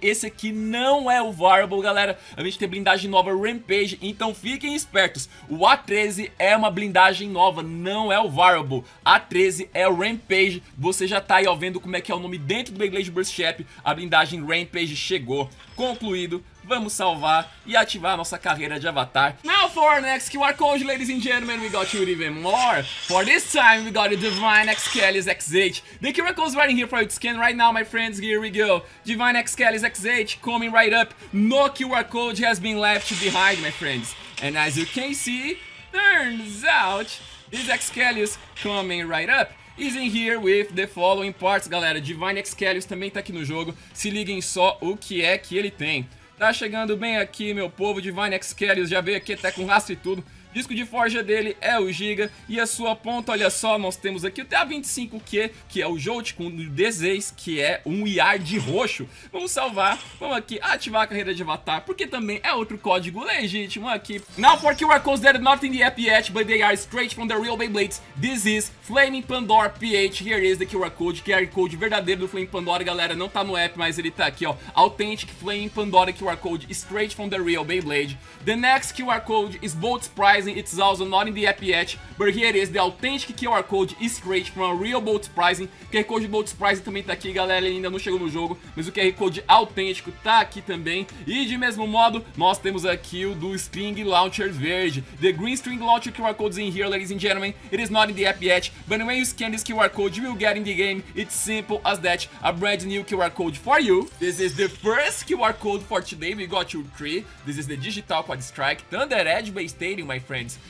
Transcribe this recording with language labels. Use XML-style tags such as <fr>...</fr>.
<pt>Esse aqui não é o Variable, galera. A gente tem blindagem nova Rampage, então fiquem espertos. O A13 é uma blindagem nova, não é o Variable. A13 é o Rampage. Você já tá aí, ó, vendo como é que é o nome dentro do Beyblade Burst Chap. A blindagem Rampage chegou. Concluído. Vamos salvar e ativar a nossa carreira de avatar.</pt> <en>Now for our next QR code, ladies and gentlemen, we got you even more. For this time, we got a Divine Achilles X8. The QR code's right here for you to scan right now, my friends. Here we go. Divine Achilles X8 coming right up. No QR code has been left behind, my friends. And as you can see, turns out, this Achilles coming right up is in here with the following parts, galera.</en> <pt>Divine Achilles também tá aqui no jogo. Se liguem só o que é que ele tem. Tá chegando bem aqui, meu povo, Divine Achilles, já veio aqui até com rastro e tudo. disco de forja dele é o Giga. E a sua ponta, olha só, nós temos aqui o TA-25Q, que é o Jolt com o D6, que é um IR de roxo. Vamos salvar, vamos aqui ativar a carreira de avatar, porque também é outro código legítimo aqui.</pt> <en>Now for QR Codes that are not in the app yet, but they are straight from the real Beyblades. This is Flaming Pandora PH, here is the</en> <pt>QR Code, QR Code verdadeiro do Flaming Pandora, galera. Não tá no app, mas ele tá aqui, ó.</pt> <en>Authentic Flaming Pandora QR Code, straight from the real Beyblade. The next QR Code is bold surprising, it's also not in the app yet, but here is the authentic QR Code, straight from a real bold surprising.</en> <pt>QR Code bold surprising também tá aqui, galera, ele ainda não chegou no jogo, mas o QR Code autêntico tá aqui também. E de mesmo modo, nós temos aqui o do String Launcher verde.</pt> <en>The green String Launcher QR Code is in here, ladies and gentlemen, it is not in the app yet, but when you scan this QR Code, you will get in the game, it's simple as that, a brand new QR Code for you. This is the first QR Code for today, we got your three. This is the Digital Quad Strike, Thunder Edge Bay Stadium, my friends.</en>